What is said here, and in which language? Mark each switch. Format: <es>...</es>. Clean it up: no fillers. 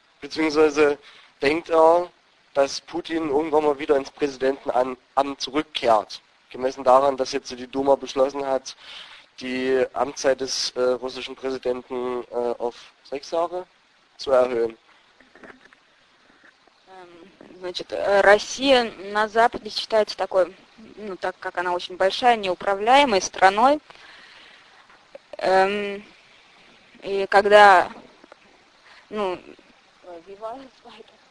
<de>Beziehungsweise denkt er, dass Putin irgendwann mal wieder ins Präsidentenamt zurückkehrt? Gemessen daran, dass jetzt die Duma beschlossen hat, die Amtszeit des russischen Präsidenten auf 6 Jahre zu erhöhen.</de> <ru>Значит, Россия на Западе считается такой, ну, так как она очень большая, неуправляемой страной. И когда...</ru> <de>Ну, wie war es weiter?</de>